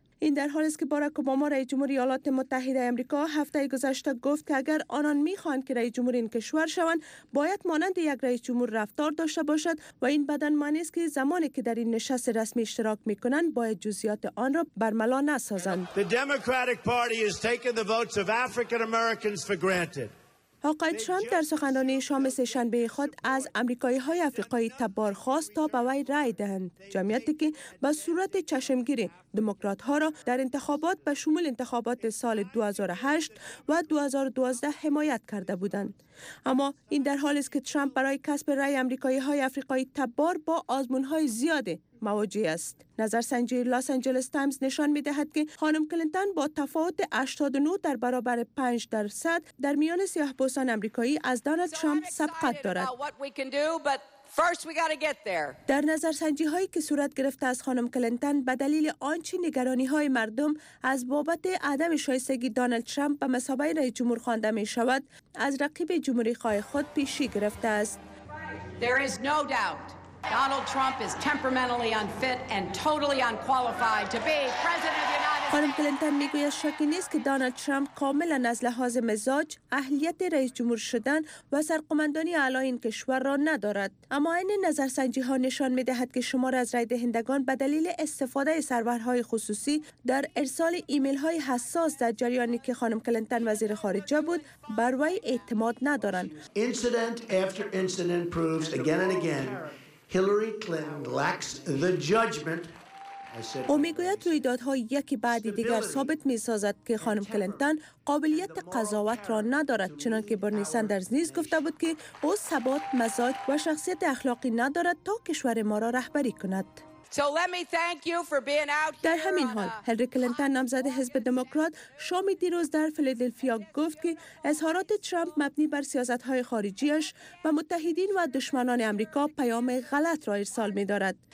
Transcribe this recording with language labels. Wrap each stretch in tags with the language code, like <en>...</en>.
<fa>این در حالی است که باراک اوباما رئیس جمهور ایالات متحده آمریکا هفته گذشته گفت که اگر آنان می‌خواهند که رئیس جمهور این کشور شوند، باید مانند یک رئیس جمهور رفتار داشته باشد و این بدن معنی است که زمانی که در این نشست رسمی اشتراک می‌کنند، باید جزئیات آن را برملا نسازند.</fa> <en>The Democratic Party has taken the votes of African Americans for granted.</en> <fa>آقای ترامپ در سخنرانی شام سه‌شنبه خود از آمریکایی‌های آفریقایی تبار خواست تا به وی رأی دهند، جمعیتی که به صورت چشمگیری دموکرات‌ها را در انتخابات به شمول انتخابات سال 2008 و 2012 حمایت کرده بودند. اما این در حالی است که ترامپ برای کسب رأی آمریکایی‌های آفریقایی تبار با آزمون‌های زیادی مواجه است. نظرسنجی لس آنجلس تایمز نشان می‌دهد که خانم کلینتون با تفاوت 89 در برابر 5% در میان سیاه‌پوستان آمریکایی از دونالد ترامپ سبقت دارد. در نظرسنجی هایی که صورت گرفته از خانم کلینتون به دلیل آنچه نگرانی های مردم از بابت عدم شایستگی دونالد ترامپ به مثابه رئیس جمهور خوانده می شود، از رقیب جمهوری خواه خود پیشی گرفته است.</fa> <en>Donald Trump is temperamentally unfit and totally unqualified to be president of the United States.</en> <fa>خانم کلینتون میگوید شکی نیست که دونالد ترامپ کاملا از لحاظ مزاج اهلیت رئیس جمهور شدن و سرقومندانی اعلی این کشور را ندارد. اما این نظرسنجی ها نشان میدهد که شمار از رای دهندگان به دلیل استفاده سرورهای خصوصی در ارسال ایمیل های حساس در جریانی که خانم کلینتون وزیر خارجه بود بر وی اعتماد ندارند.</fa> <en>Incident after incident proves again and again Hillary Clinton lacks the judgment.</en> <fa>او میگوید رویدادها یکی بعد دیگر ثابت می‌سازد که خانم کلینتون قابلیت قضاوت را ندارد، چنان که برنی سندرز نیز گفته بود که او ثبات مزاج و شخصیت اخلاقی ندارد تا کشور ما را رهبری کند.</fa> <en>So let me thank you for being out here.</en> <fa>در همین حال هیلری کلینتون نامزد حزب دموکرات شام دیروز در فیلادلفیا گفت که اظهارات ترامپ مبنی بر سیاست‌های خارجی‌اش و متحدین و دشمنان آمریکا پیام غلط را ارسال می‌دارد.</fa>